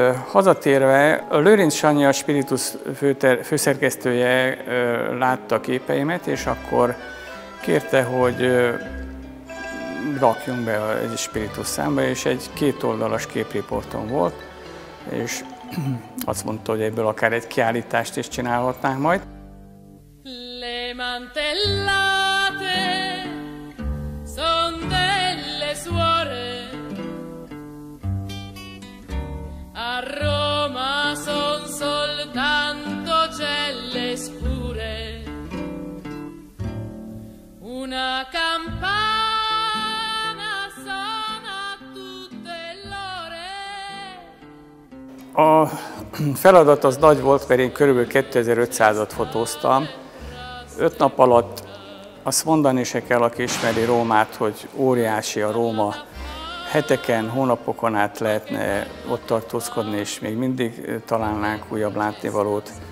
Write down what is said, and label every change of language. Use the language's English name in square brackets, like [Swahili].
[Hungarian] Hazatérve Lőrinc Sanyi, a Spiritus főszerkesztője látta képeimet, és akkor kérte, hogy rakjunk be egy Spiritus számba, és egy kétoldalas képriportom volt, és azt mondta, hogy ebből akár egy kiállítást is csinálhatnánk majd. [Italian] Le mantellate son delle suore. A Roma son soltanto celle scure. Una campana suona tutte l'ore. [Hungarian] A feladat az nagy volt, mert én körülbelül 2500-at fotóztam. Öt nap alatt azt mondani se kell, aki ismeri Rómát, hogy óriási a Róma. Heteken, hónapokon át lehetne ott tartózkodni, és még mindig találnánk újabb látnivalót.